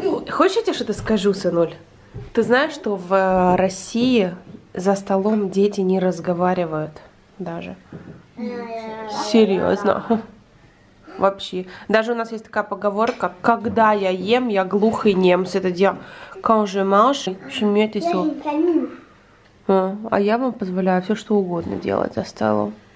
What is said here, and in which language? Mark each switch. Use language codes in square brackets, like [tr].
[ru] Хочешь, я тебе что-то скажу, сынуль? Ты знаешь, что в России за столом дети не разговаривают даже? Серьезно? Вообще. Даже у нас есть такая поговорка: когда я ем, я глухой немец. Это дело. [fr] Quand je mange, je mets les os. [ru] А я вам позволяю все что угодно делать за столом.